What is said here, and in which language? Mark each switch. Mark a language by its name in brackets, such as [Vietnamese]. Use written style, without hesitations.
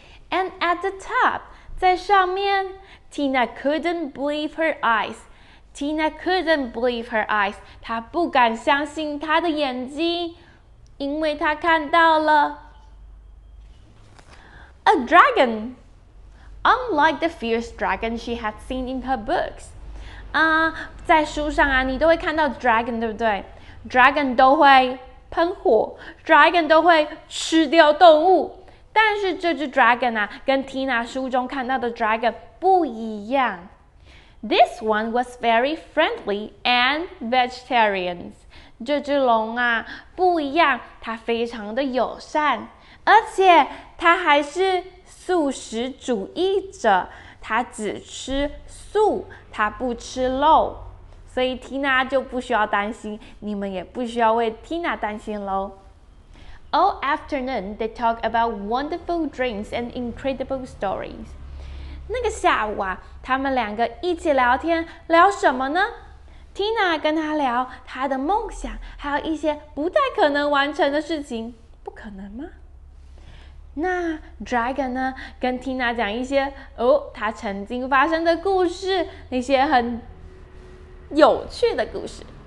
[English] And at the top, [Chinese] 在上面 [English] Tina couldn't believe her eyes. Tina couldn't believe her eyes. [Chinese] 她不敢相信她的眼睛因为她看到了 [English] A dragon. Unlike the fierce dragon she had seen in her books. [Chinese] 在书上啊，你都会看到 dragon, 对不对？Dragon 都会喷火， dragon 都会吃掉动物。但是这只 dragon 啊，跟 Tina 书中看到的 dragon 不一样。 [English] This one was very friendly and vegetarian. [Chinese] 这只龙啊，不一样，它非常的友善，而且它还是素食主义者，他只吃素，他不吃肉，所以 Tina 就不需要担心，你们也不需要为 Tina 担心咯。 [English] All afternoon, they talk about wonderful dreams and incredible stories. [Chinese] 那个下午啊，他们两个一起聊天，聊什么呢？ Tina 跟他聊他的梦想，还有一些不太可能完成的事情，不可能吗？那 Dragon 呢跟 Tina 讲一些哦他曾经发生的故事那些很有趣的故事。